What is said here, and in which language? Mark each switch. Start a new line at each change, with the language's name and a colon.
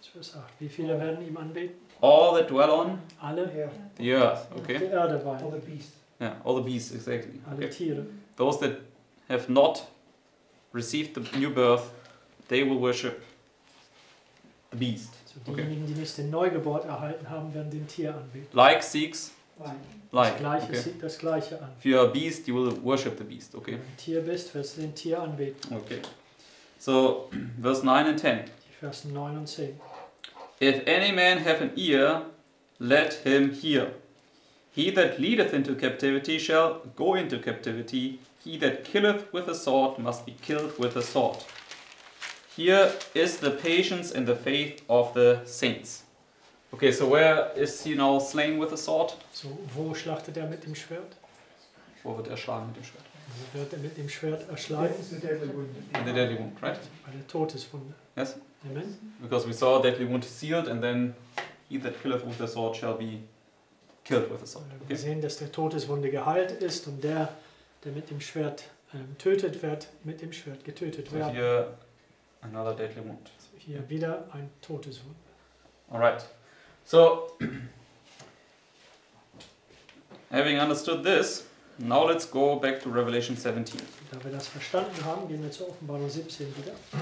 German: Vers 8. Wie viele werden ihm anbeten?
English: All that dwell on?
German: Alle.
English: The earth, okay.
German: Die Erde waren.
English: All the beasts. Yeah, all the beasts, exactly.
German: Alle okay. Tiere.
English: Those that have not received the new birth, they will worship the beast.
German: So diejenigen, okay. Die nicht den Neugeburt erhalten haben, werden den Tier anbeten.
English: Like seeks like.
German: Das Gleiche
English: okay.
German: Sieht das Gleiche an.
English: If you are a beast, you will worship the beast. Okay.
German: Wenn du ein Tier bist, wirst du den Tier anbeten.
English: Okay. So, verse 9 and 10.
German: Vers 9 und 10.
English: If any man have an ear, let him hear. He that leadeth into captivity shall go into captivity. He that killeth with a sword must be killed with a sword. Here is the patience and the faith of the saints. Okay, so where is he now slain with a sword?
German: So, wo schlachtet mit dem Schwert? Wo wird erschlagen mit dem Schwert? Wo wird mit dem Schwert erschlagen?
English: In the deadly wound. In the deadly wound, right?
German: Bei der Todeswunde.
English: Yes? Amen. Because we saw deadly wound sealed and then he that killeth with a sword shall be killed with a sword.
German: Okay? Wir sehen, dass der Todeswunde geheilt ist und der mit dem Schwert tötet wird mit dem Schwert, getötet wird. So hier
English: another deadly wound.
German: So hier wieder ein totes Wund.
English: Alright. So, having understood this, now let's go back to Revelation 17.
German: Da wir das verstanden haben, gehen wir zur Offenbarung 17 wieder.